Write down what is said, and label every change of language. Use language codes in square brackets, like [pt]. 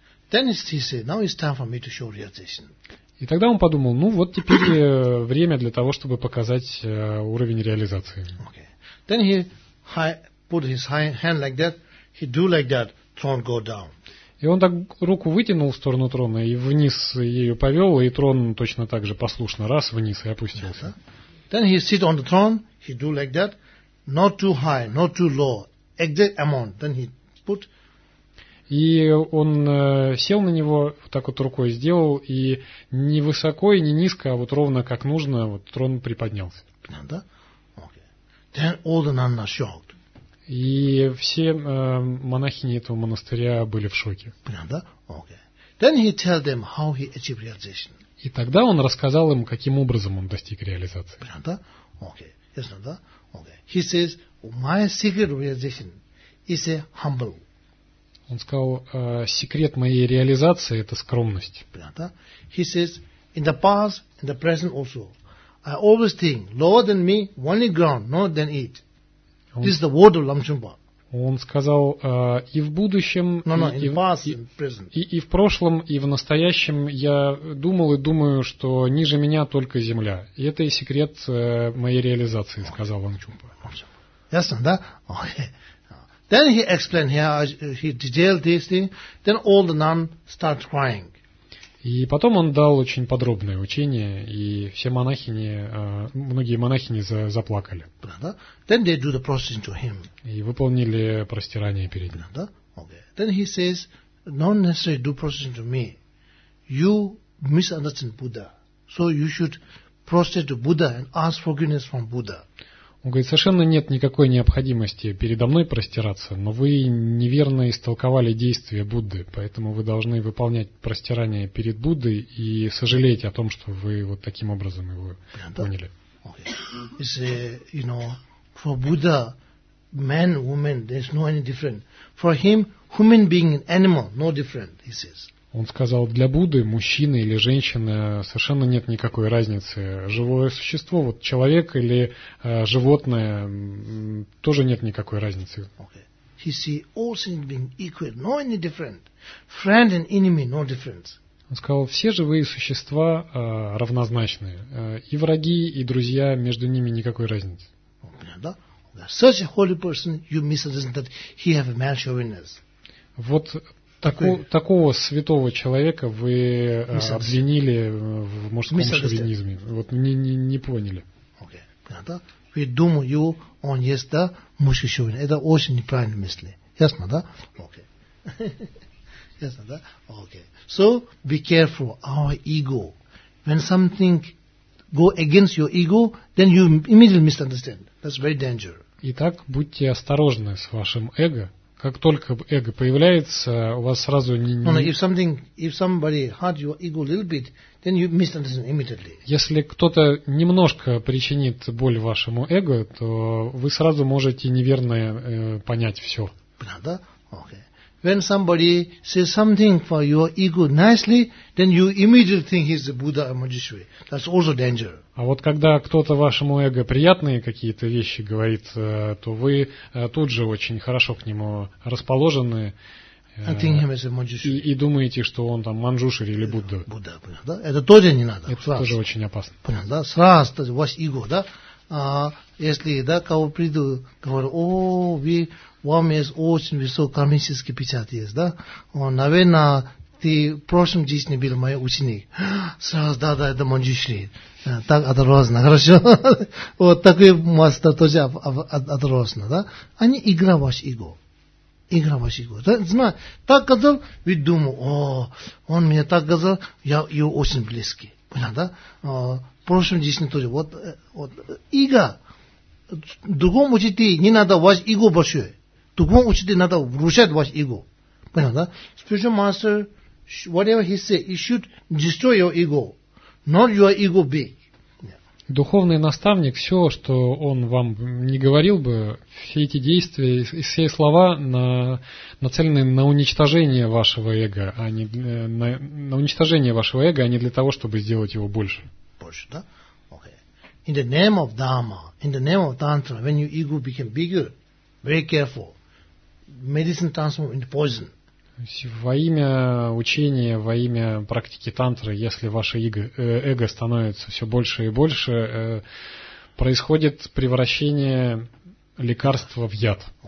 [en] Then he said, now it's time for me to show realization. [ru] И тогда он подумал, ну вот теперь время для того, чтобы показать уровень реализации. [en] Okay. Then he put his hand like that, he do like that, throne go down. [ru] И он так руку вытянул в сторону трона и вниз ее повел, и трон точно так же послушно раз вниз и опустился. [en] Then he sit on the throne, he do like that, not too high, not too low, exact amount. Then he put. [ru] И он сел на него, вот так вот рукой сделал, и не высоко и не низко, а вот ровно как нужно, вот трон приподнялся. Да? [en] Okay. Then all the nuns are shocked. [ru] И все монахини этого монастыря были в шоке. Да? [en] Okay. Then he tell them how he achieved realization. [ru] И тогда он рассказал им, каким образом он достиг реализации. Да? [en] Okay. Yes, [ru] да? [en] Okay. He says, my secret realization is a humble. [ru] Он сказал, секрет моей реализации – это скромность. [en] He says, in the past, in the present also, I always think, lower than me, only ground, not than it. This is the word of Lamchumpa. [ru] Он сказал, и в будущем, и в прошлом, и в настоящем я думал и думаю, что ниже меня только земля. И это и секрет моей реализации, сказал Ламчумпа. Ясно, да? Окей. [en] Then he explained, he detailed this thing, then all the nuns start crying. [ru] И потом он дал очень подробное учение, и все монахини, многие монахини заплакали. Правда? [en] Then they do the prostration to him. [ru] И выполнили простирание перед ним. Правда? [en] Okay. Then he says, not necessary do prostration to me. You misunderstand Buddha. So you should prostrate to Buddha and ask forgiveness from Buddha. [ru] Он говорит, совершенно нет никакой необходимости передо мной простираться, но вы неверно истолковали действия Будды, поэтому вы должны выполнять простирание перед Буддой и сожалеть о том, что вы вот таким образом его поняли. [en] Okay. You know, for Buddha, man, woman, there's no any different. For him, human being and animal, no different, he says. [ru] Он сказал, для Будды, мужчины или женщины, совершенно нет никакой разницы. Живое существо, вот человек или животное, тоже нет никакой разницы. [en] Okay. He see all things being equal, no any different. Friend and enemy, no difference. [ru] Он сказал, все живые существа равнозначны. И враги, и друзья, между ними никакой разницы. [en] Such a holy person, you misunderstand that he have a male chauvinist. [ru] Вот такого святого человека вы обвинили в мужском шовинизме. Вот не поняли. [en] We [ru] думал [en] you on yes, [ru] да, мужский шовинизм. Это очень неправильные мысли. Ясно, да? [en] Okay. [ru] Ясно, да? Okay. [en] So be careful our ego. When something go against your ego, then you immediately misunderstand. That's very dangerous. [ru] Итак, будьте осторожны с вашим эго. Как только эго появляется, у вас сразу не. [en] If somebody hurt your ego a little bit, then you misunderstand immediately. [ru] Если кто-то немножко причинит боль вашему эго, то вы сразу можете неверно понять все. Правда? [en] Okay. When somebody says something for your ego nicely, then you immediately think he's a Buddha or Manjushri. That's also danger. [ru] А вот когда кто-то вашему эго приятные какие-то вещи говорит, то вы тут же очень хорошо к нему расположены и думаете, что он там Манджушри или Будда. Будда, понятно, да? Это тоже не надо. Это тоже очень опасно. Понятно, да? Сразу, то есть, ваш эго, да? Если, да, кого приду, говорю, о, вам есть очень высокий кармический печать, есть, да? Наверное, ты в прошлом жизни был мой ученик. Сразу, да, это манджишри. Так отрозно, хорошо. Вот такой мастер тоже отрозно, да. Они игра ваш иго. Игра ваш иго. Так сказал, ведь думал, о, он мне так сказал, я его очень близкий. Понял, да? В прошлом жизни тоже. Вот иго. Другому учителю не надо ваш иго большое. Другому учителю надо врушать ваш иго. Понял, да? [en] Spiritual master, whatever he say, he should destroy your ego. Not your ego big. [ru] Духовный наставник, все, что он вам не говорил бы, все эти действия и все слова нацелены на уничтожение вашего эго, а не на уничтожение вашего эго, а не для того, чтобы сделать его больше. Больше, да? [en] Okay. In the name of Dharma, in the name of Tantra, when your ego became bigger, very careful. Medicine transformed into poison. [ru] Во имя учения, во имя практики тантры, если ваше эго становится все больше и больше, происходит превращение лекарства в яд.